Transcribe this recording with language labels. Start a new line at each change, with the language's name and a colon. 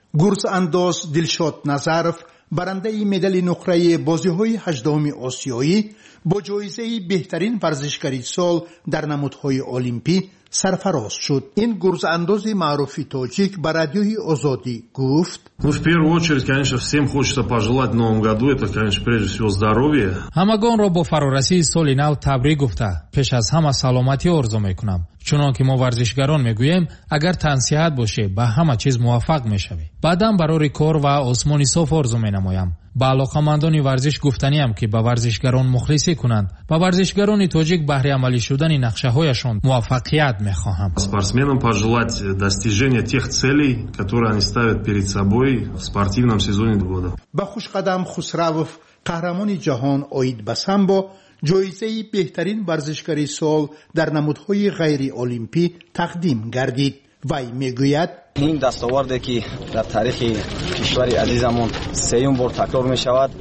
Persian: گرز انداز دلشاد نظرف برنده مدال نقره بازی های 18 آسیایی با جایزه بهترین ورزشکاری سال در نمودهای المپی سرفراز شد. این گرز انداز معروف تاجیک به رادیوی آزادی گفت:
Russian: в первую очередь, конечно, всем хочется пожелать новому году, это, конечно, прежде всего здоровья.
Persian: همگان را با فرارسی سال نو تبریک گفته، پیش از همه سلامتی آرزو میکنم. چنان که ما ورزشگران میگوییم، اگر تن صحت باشه، به همه چیز موفق میشوی. بعدم برای کار و آسمانی صاف آرزو مینمایم. با علاقه‌مندان ورزش گفتنیم که به ورزشگران مخلصی کنند و ورزشگران تاجیک بهره عملی شدن نقشه‌هایشان موفقیت می‌خواهم.
Russian: спортсменам пожелать достижения тех целей, которые они ставят перед собой в спортивном сезоне года.
Persian: به خوشقدم خسروف قهرمان جهان عید بسم با جایزه بهترین ورزشکاری سال در نمودهای غیر المپی تقدیم گردید. وی میگوید: این دستاورده که در تاریخ کشور عزیزمون سیوم بار تکرار می شود.